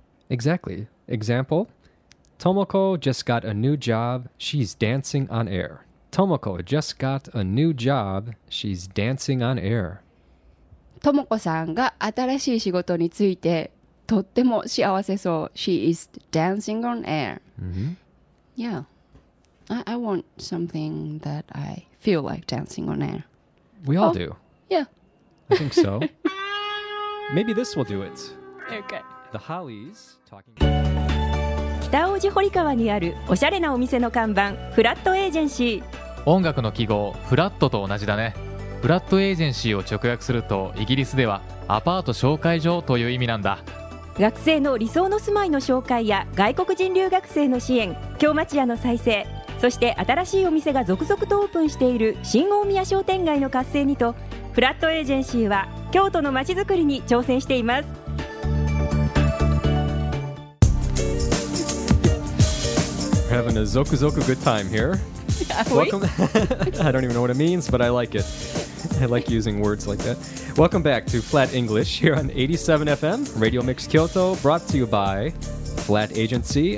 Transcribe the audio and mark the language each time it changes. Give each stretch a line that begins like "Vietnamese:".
English: Exactly. Example: Tomoko just got a new job. She's dancing on air. Tomoko just got a new job. She's dancing on air.
Japanese: トモコさんが新しい仕事についてとっても幸せそう。
English: She is dancing on air.、 Mm-hmm. Yeah. I want something that I feel like dancing on air. We all、oh, do. Yeah. I think so. Maybe this will do it. Okay. The Hollies talking.
Japanese: 北大路堀川にあるおしゃれなお店の看板、フラットエージェンシー。音楽の記号、フラットと同じだね。フラットエージェンシーを直訳するとイギリスではアパート紹介所という意味なんだ。学生の理想の住まいの紹介や外国人留学生の支援、京町屋の再生、そして新しいお店が続々とオープンしている新大宮商店街の活性にと、フラットエージェンシーは京都の街づくりに挑戦しています。
English: We're having a
Japanese: zoku zoku
English: good time here. Welcome. I don't even know what it means, but I like itI like using words like that. Welcome back to Flat English here on 87FM, Radio Mix Kyoto, brought to you by Flat Agency.